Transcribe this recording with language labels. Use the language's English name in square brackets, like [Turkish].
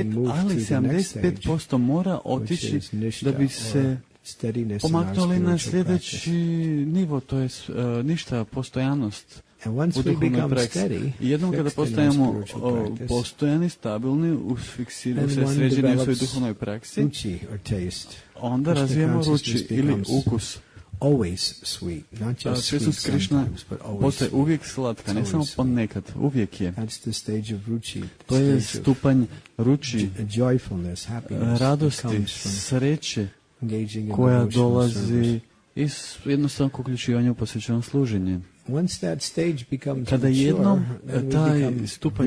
[Croatian] ali 75% mora otići da bi se pomaknuli na sljedeći nivo, to je ništa, postojanost. [English] And once we become steady, [Croatian] jednom kada postajemo postojani, stabilni, usfiksirani, sređeni u svojoj duhovnoj praksi, [English] ruchi or taste, [Croatian] onda razvijamo ruchi ili ukus. [English] Always sweet, not just sweet sometimes, but always sweet. [Croatian] Postaje uvijek slatka, ne samo ponekad, uvijek je. [English] That's the stage of ruchi. [Croatian] To je stupanj ruchi, [English] joyfulness, happiness, [Croatian] radosti, sreće, koja dolazi iz jednostavnog uključivanja u posvećeno služenje. [English] Once that stage becomes mature, [Croatian] kada jednom taj stupanj